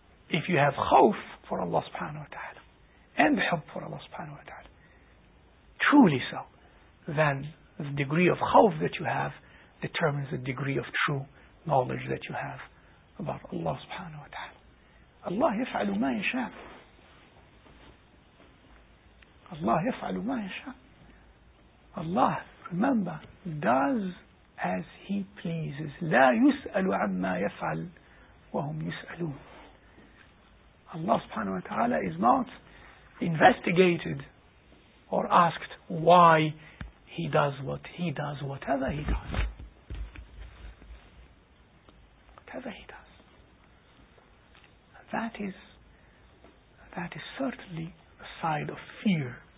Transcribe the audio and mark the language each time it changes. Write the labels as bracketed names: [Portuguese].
[English] If you have khawf for Allah subhanahu wa ta'ala, and hub for Allah subhanahu wa ta'ala, truly so, then the degree of khawf that you have determines the degree of true knowledge that you have about Allah subhanahu wa ta'ala. [Arabic] Allah يفعل ما يشاء. Allah يفعل ما يشاء. [English] Allah, remember, does as He pleases. [Arabic] لا يسأل عما يفعل وهم يسألون. [English] Allah subhanahu wa ta'ala is not investigated or asked why He does what He does, whatever He does. That is certainly a side of fear.